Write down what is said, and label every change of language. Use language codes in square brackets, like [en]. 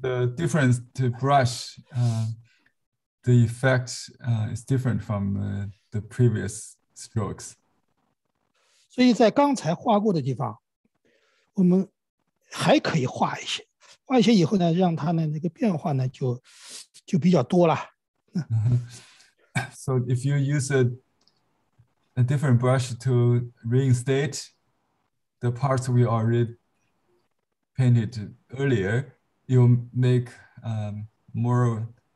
[en] the difference to brush, the effect is different from the previous strokes. [zh] 所以在刚才画过的地方，我们还可以画一些，画一些以后呢，让它的那个变化呢就比较多了。 [en] So if you use a different brush to reinstate the parts we already painted earlier, you'll make more.